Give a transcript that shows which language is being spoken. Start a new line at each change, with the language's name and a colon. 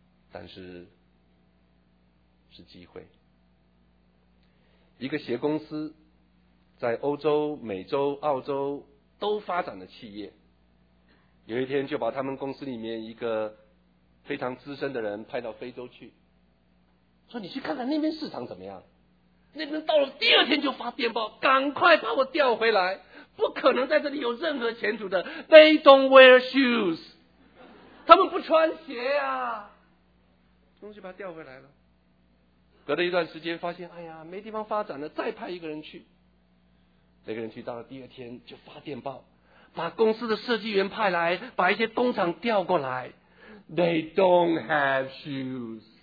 Chinese: 但是是机会。一个鞋公司在欧洲、美洲、澳洲都发展的企业，有一天就把他们公司里面一个非常资深的人派到非洲去，说你去看看那边市场怎么样。那边到了第二天就发电报，赶快把我调回来，不可能在这里有任何前途的。
English: They don't wear shoes，
Chinese: 他们不穿鞋啊。东西把他调回来了，隔了一段时间发现，哎呀，没地方发展了，再派一个人去。那个人去到了第二天就发电报，把公司的设计员派来，把一些工厂调过来。
English: They don't have shoes。